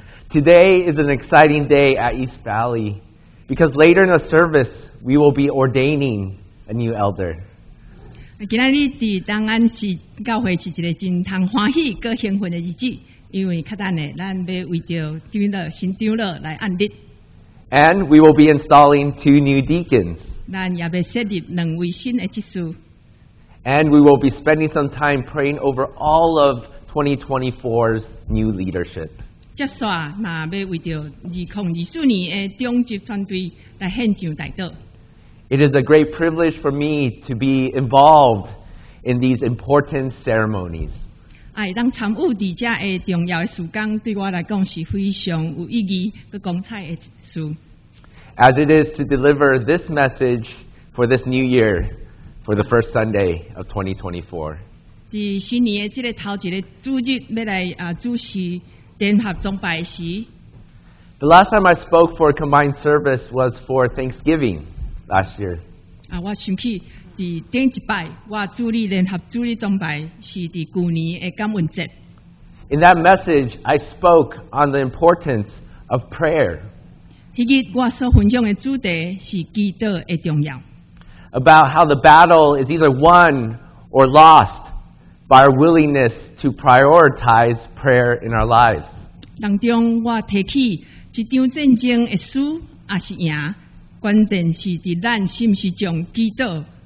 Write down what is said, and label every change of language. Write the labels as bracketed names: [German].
[English] Today is an exciting day at East Valley because later in the service, we will be ordaining a new elder. [Min Nan Chinese] 今天在东安市教会是一个很通欢喜又兴奋的日子，因为较等下咱要为着新的新长老来按立。 [English] And we will be installing two new deacons. [Min Nan Chinese] 咱也要设立两位新的执事。 [English] And we will be spending some time praying over all of 2024's new leadership. [Min Nan Chinese] 接下嘛要为着2024年的中执团队来献上祷告。 [English] It is a great privilege for me to be involved in these important ceremonies. [Min Nan Chinese] 哎，当参与伫遮个重要的事工，对我来讲是非常有意义、佮光彩的事。 [English] As it is to deliver this message for this new year, for the first Sunday of 2024. [Min Nan Chinese] 伫新年的这个头一个主日，要来主持联合崇拜时。 [English] The last time I spoke for a combined service was for Thanksgiving last year. [Min Nan Chinese] 啊，我想起。第顶一摆，我主理联合主理崇拜是伫旧年的感恩节。 [English] In that message, I spoke on the importance of prayer. [Min Nan Chinese] 迄日我所分享的主题是祈祷的重要。 [English] About how the battle is either won or lost by our willingness to prioritize prayer in our lives. [Min Nan Chinese] 当中我提起一场战争的输还是赢，关键是伫咱是毋是将祈祷。